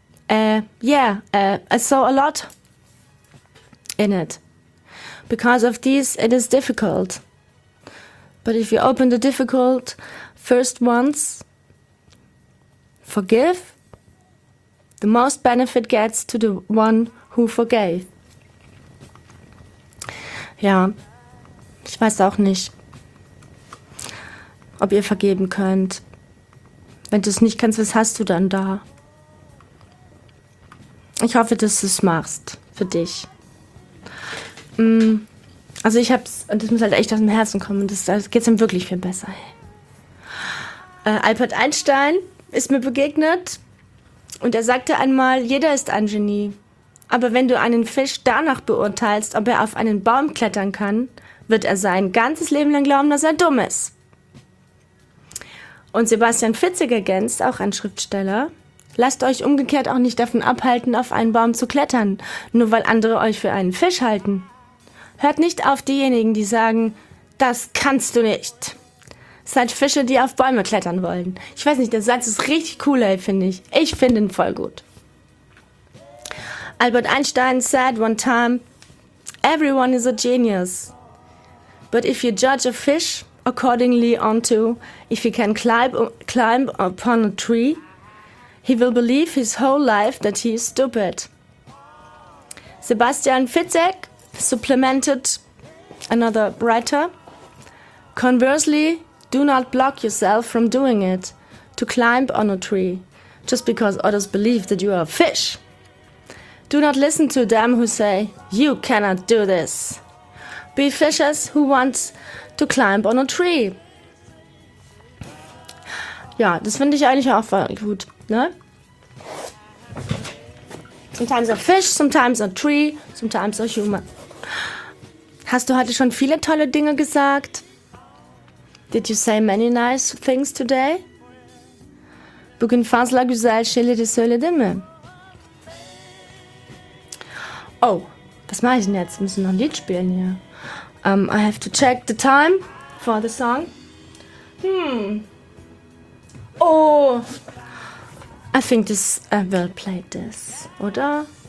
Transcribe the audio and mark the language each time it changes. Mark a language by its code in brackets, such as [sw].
[en] I saw a lot in it. Because of these, it is difficult. But if you open the difficult first ones, forgive, the most benefit gets to the one who forgave. [de] Ja, ich weiß auch nicht, ob ihr vergeben könnt. Wenn du es nicht kannst, was hast du dann da? Ich hoffe, dass du es machst für dich. Also ich hab's, und das muss halt echt aus dem Herzen kommen, das geht's ihm wirklich viel besser. Albert Einstein ist mir begegnet und er sagte einmal, jeder ist ein Genie. Aber wenn du einen Fisch danach beurteilst, ob er auf einen Baum klettern kann, wird er sein ganzes Leben lang glauben, dass er dumm ist. Und Sebastian Fitzek ergänzt, auch ein Schriftsteller, lasst euch umgekehrt auch nicht davon abhalten, auf einen Baum zu klettern, nur weil andere euch für einen Fisch halten. Hört nicht auf diejenigen, die sagen, das kannst du nicht. Seid Fische, die auf Bäume klettern wollen. Ich weiß nicht, der Satz ist richtig cool, ey, finde ich. Ich finde ihn voll gut. [en] Albert Einstein said one time, everyone is a genius. But if you judge a fish accordingly onto if he can climb upon a tree, he will believe his whole life that he is stupid. Sebastian Fitzek supplemented another writer. Conversely, do not block yourself from doing it, to climb on a tree, just because others believe that you are a fish. Do not listen to them who say, you cannot do this. Be fishers who want to climb on a tree. [de] Ja, das finde ich eigentlich auch voll gut, ne? [en] Sometimes a fish, sometimes a tree, sometimes a human. [de] Hast du heute schon viele tolle Dinge gesagt? [en] Did you say many nice things today? [tr] Bugün fanz la güzel şeyleri söyledin mi? [de] Oh, was mache ich denn jetzt? Wir müssen noch ein Lied spielen hier. [en] I have to check the time for the song. Oh, I think this, I will play this, oder?